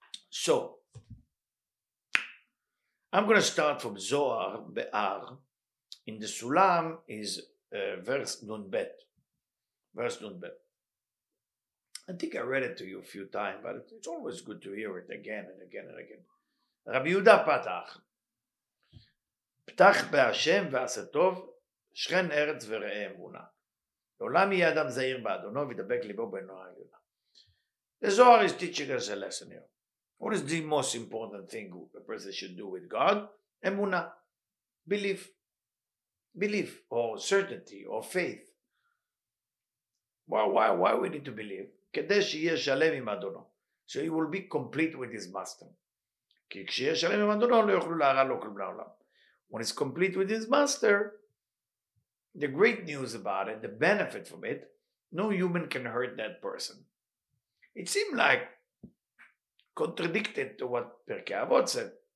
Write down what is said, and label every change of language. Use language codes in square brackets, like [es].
[en] So, I'm going to start from Zohar, Behar. In the Sulam is verse Nun Bet. I think I read it to you a few times, but it's always good to hear it again and again and again. [he] רבי יהודה פתח. פתח בהשם ועשה טוב, שכן ארץ וראה אמונה. לעולם יהיה אדם זהיר באדונו וידבק ליבו בנועה העליונה. [en] וזוהר is teaching us a lesson here. What is the most important thing a person should do with God? אמונה. Belief. Belief or certainty or faith. Why we need to believe? [he] כדי שיהיה שלם עם אדונו. [en] So he will be complete with his master. [he] כי כשיהיה שלם עם אדונו לא יוכלו להרע לו כלום לעולם. [en] When it's complete with his master, the great news about it, the benefit from it, no human can hurt that person. It seemed like contradicted to what Pirkei Avot said.